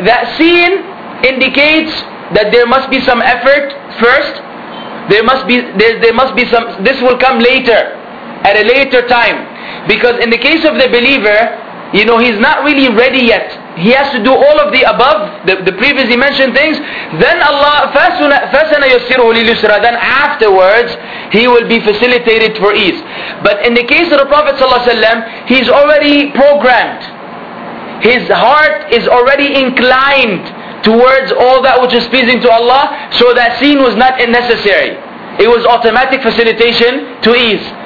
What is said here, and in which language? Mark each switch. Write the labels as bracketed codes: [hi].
[en] That scene indicates that there must be some effort first. There must be some, this will come later, at a later time. Because in the case of the believer, you know, he's not really ready yet. He has to do all of the above, the previously mentioned things. Then Allah, [ar] فَسَنَ يُسِّرُهُ لِلْيُسْرَى. [en] Then afterwards, he will be facilitated for ease. But in the case of the Prophet ﷺ, he's already programmed. His heart is already inclined towards all that which is pleasing to Allah. So that scene was not necessary. It was automatic facilitation to ease.